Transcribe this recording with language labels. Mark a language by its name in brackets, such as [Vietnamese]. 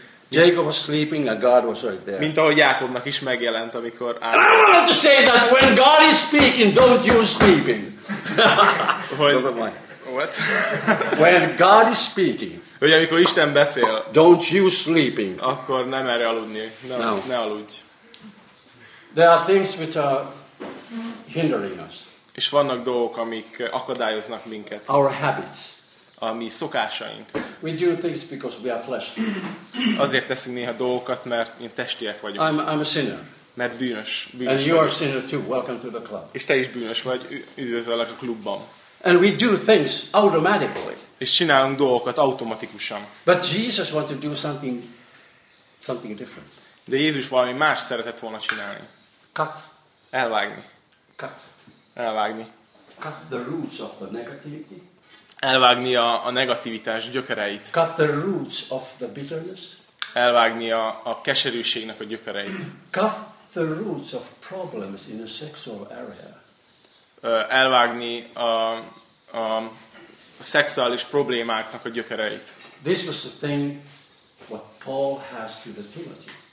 [English] Jacob was sleeping and God was right there. [Hungarian] Mint ahogy Jákobnak is megjelent, amikor [English] I want to say that when God is speaking, don't you sleeping. What? When God is speaking. [Hungarian] Hogy amikor Isten beszél. [English] Don't you sleeping. [Hungarian] Akkor nem erre aludni. Ne aludj. [English] There are things which are hindering us. [Hungarian] És vannak dolgok, amik akadályoznak minket. [English] Our habits. [Hungarian] A mi szokásaink. [English] We do things because we are flesh. [Hungarian] Azért teszünk néha dolgokat, mert én testiek vagyok. [English] I'm a sinner. [Hungarian] Mert bűnös. Bűnös [English] and you are a sinner too. Welcome to the club. [Hungarian] És te is bűnös vagy. Üdvözöllek a klubban. [English] And we do things automatically. [Hungarian] És csinálunk dolgokat automatikusan. [English] But Jesus wanted to do something different. [Hungarian] De Jézus valami más szeretett volna csinálni. [English] Cut. [Hungarian] Elvágni. [English] Cut. [Hungarian] Elvágni. [English] Cut the roots of the negativity. [Hungarian] Elvágni a negativitás gyökereit. [English] Cut the roots of the bitterness. [Hungarian] Elvágni a keserűségnek a gyökereit. [English] Cut the roots of problems in a sexual area. [Hungarian] Elvágni a szexuális problémáknak a gyökereit. [English] This was the thing what Paul has to the Timothy.